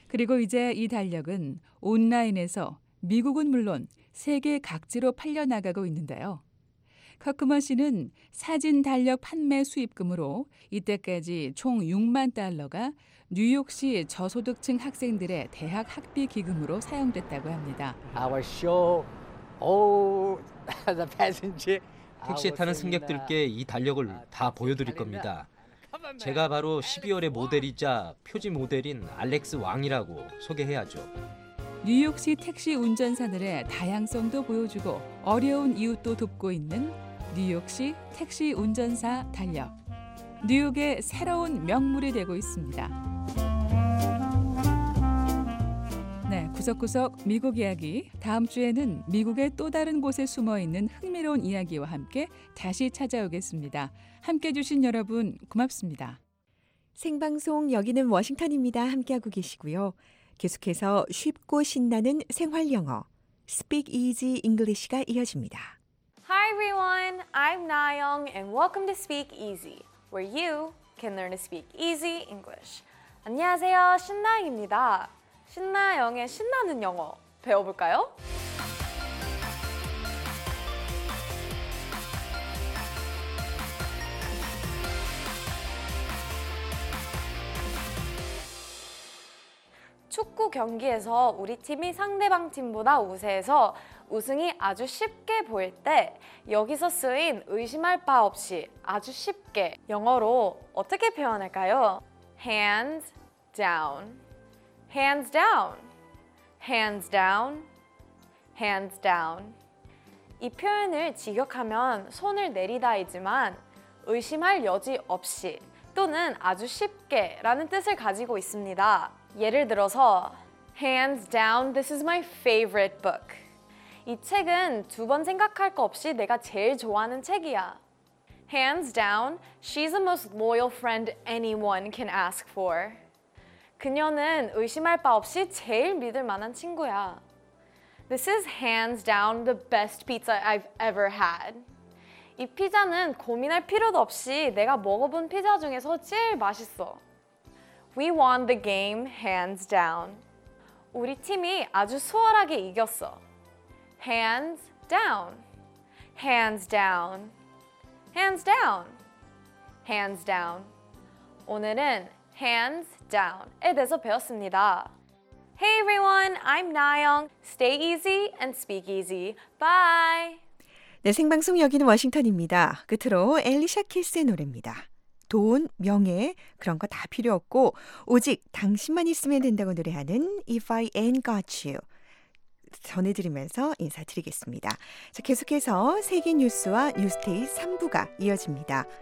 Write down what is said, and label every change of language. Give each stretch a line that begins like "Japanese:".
Korean: 그리고 이제 이 달력은 온라인에서 미국은 물론 세계 각지로 팔려나가고 있는데요. 커크먼 씨는 사진 달력 판매 수입금으로 이때까지 총 6만 달러가 뉴욕시 저소득층 학생들의 대학 학비 기금으로 사용됐다고 합니다.
English: Our show, all the passengers.
Korean: 택시에 타는 승객들께 이 달력을 다 보여드릴 겁니다. 제가 바로 12월의 모델이자 표지 모델인 알렉스 왕이라고 소개해야죠. 뉴욕시 택시 운전사들의 다양성도 보여주고 어려운 이웃도 돕고 있는 뉴욕시 택시 운전사 달력. 뉴욕의 새로운 명물이 되고 있습니다. 네, 구석구석 미국 이야기. 다음 주에는 미국의 또 다른 곳에 숨어있는 흥미로운 이야기와 함께 다시 찾아오겠습니다. 함께해 주신 여러분 고맙습니다. 생방송 여기는 워싱턴입니다. 함께하고 계시고요. 계속해서 쉽고 신나는 생활 영어 Speak Easy English가 이어집니다.
English: Hi everyone, I'm Nayoung and welcome to Speak Easy, where you can learn to speak easy English.
Korean: 안녕하세요, 신나영입니다. 신나영의 신나는 영어 배워볼까요? 축구 경기에서 우리 팀이 상대방 팀보다 우세해서 우승이 아주 쉽게 보일 때 여기서 쓰인 의심할 바 없이 아주 쉽게 영어로 어떻게 표현할까요?
English: Hands down. Hands down. Hands down. Hands down.
Korean: 이 표현을 직역하면 손을 내리다이지만 의심할 여지 없이 또는 아주 쉽게 라는 뜻을 가지고 있습니다. 예를 들어서
English: Hands down, this is my favorite book.
Korean: 이 책은 두 번 생각할 거 없이 내가 제일 좋아하는 책이야.
English: Hands down, she's the most loyal friend anyone can ask for.
Korean: 그녀는 의심할 바 없이 제일 믿을 만한 친구야.
English: This is hands down the best pizza I've ever had.
Korean: 이 피자는 고민할 필요도 없이 내가 먹어본 피자 중에서 제일 맛있어.
English: We won the game hands down.
Korean: 우리 팀이 아주 수월하게 이겼어.
English: Hands down. Hands down. Hands down. Hands down.
Korean: 오늘은 hands down에 대해서 배웠습니다.
English: Hey everyone, I'm Nayoung. Stay easy and speak easy. Bye.
Korean: 네, 생방송 여기는 워싱턴입니다. 끝으로 엘리샤 키스의 노래입니다. 돈, 명예, 그런 거 다 필요 없고 오직 당신만 있으면 된다고 노래하는 If I Ain't Got You 전해드리면서 인사드리겠습니다. 자, 계속해서 세계 뉴스와 뉴스테이 3부가 이어집니다.